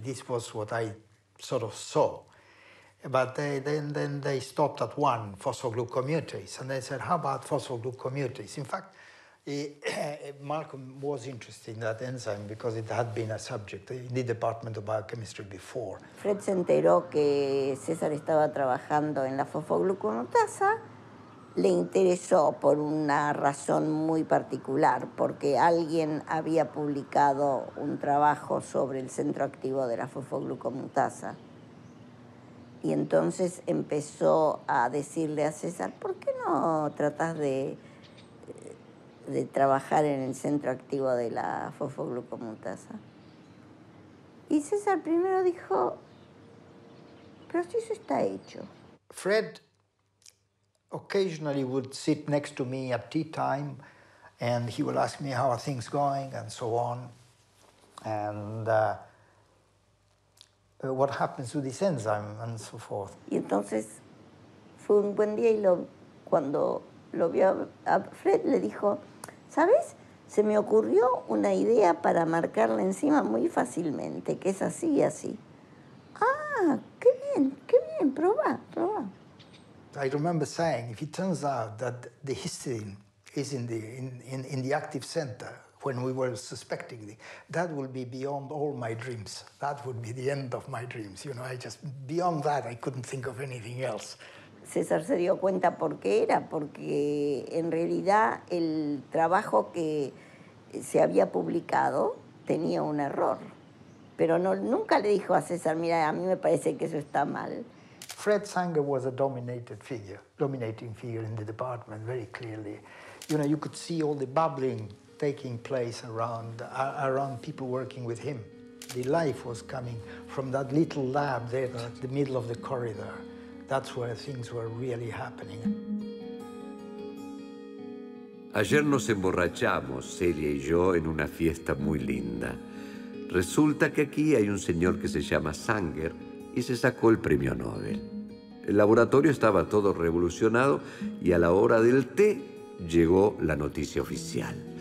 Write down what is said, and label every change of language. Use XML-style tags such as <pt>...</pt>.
<en>This was what I sort of saw. But then they stopped at one, phosphoglucomutase, and they said, how about phosphoglucomutase? In fact, Malcolm was interested in that enzyme because it had been a subject in the Department of Biochemistry before.</en> <es>Fred se enteró que César estaba trabajando en la fosfoglucomutasa. Le interesó por una razón muy particular, porque alguien había publicado un trabajo sobre el centro activo de la fosfoglucomutasa. Y entonces empezó a decirle a César, ¿por qué no tratas de trabajar en el centro activo de la fosfoglucomutasa? Y César primero dijo, pero si eso está hecho.</es> <en>Fred occasionally would sit next to me at tea time, and he would ask me how are things going and so on. And what happens to this enzyme and so forth.</en> <es>Y entonces fue un buen día y cuando lo vio a Fred le dijo, ¿sabes? Se me ocurrió una idea para marcar la enzima muy fácilmente, que es así y así. Ah, qué bien, probá.</es> <en>I remember saying, if it turns out that the histidine is in the active center when we were suspecting it, that would be beyond all my dreams. That would be the end of my dreams. You know, I just, beyond that, I couldn't think of anything else.</en> <es>César se dio cuenta por qué era, porque en realidad el trabajo que se había publicado tenía un error. Pero no, nunca le dijo a César, mira, a mí me parece que eso está mal.</es> <en>Fred Sanger was a dominating figure in the department, very clearly. You know, you could see all the bubbling taking place around people working with him. The life was coming from that little lab there at the middle of the corridor. That's where things were really happening.</en> <es>Ayer nos emborrachamos, Celia y yo, en una fiesta muy linda. Resulta que aquí hay un señor que se llama Sanger y se sacó el premio Nobel. El laboratorio estaba todo revolucionado y a la hora del té llegó la noticia oficial.</es>